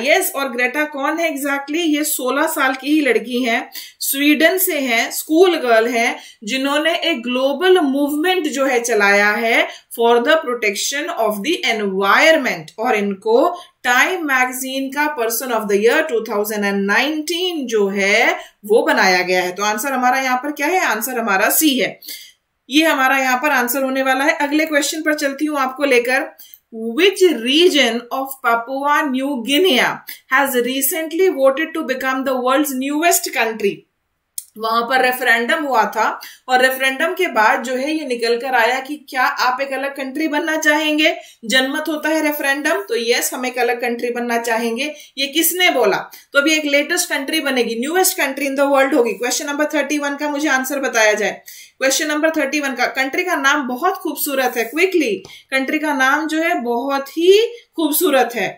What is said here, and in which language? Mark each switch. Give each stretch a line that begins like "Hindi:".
Hindi: Yes, और Greta कौन है एग्जैक्टली? ये 16 साल की ही लड़की है, स्वीडन से है, स्कूल गर्ल है, जिन्होंने एक ग्लोबल मूवमेंट जो है चलाया है
English: for the protection of the environment,
Hindi: और इनको टाइम मैगजीन का पर्सन ऑफ द ईयर 2019 जो है वो बनाया गया है। तो आंसर हमारा यहां पर क्या है? आंसर हमारा सी है, ये हमारा यहां पर आंसर होने वाला है। अगले क्वेश्चन पर चलती हूं आपको लेकर।
English: Which region of Papua New Guinea has recently voted to become the world's newest country?
Hindi: वहां पर रेफरेंडम हुआ था, और रेफरेंडम के बाद जो है ये निकल कर आया कि क्या आप एक अलग कंट्री बनना चाहेंगे, जनमत होता है रेफरेंडम, तो यस हम एक अलग कंट्री बनना चाहेंगे, ये किसने बोला? तो अभी एक लेटेस्ट कंट्री बनेगी,
English: newest country in the world
Hindi: होगी। क्वेश्चन नंबर 31 का मुझे आंसर बताया जाए, क्वेश्चन नंबर 31 का, कंट्री का नाम बहुत खूबसूरत है, क्विकली कंट्री का नाम जो है बहुत ही खूबसूरत है।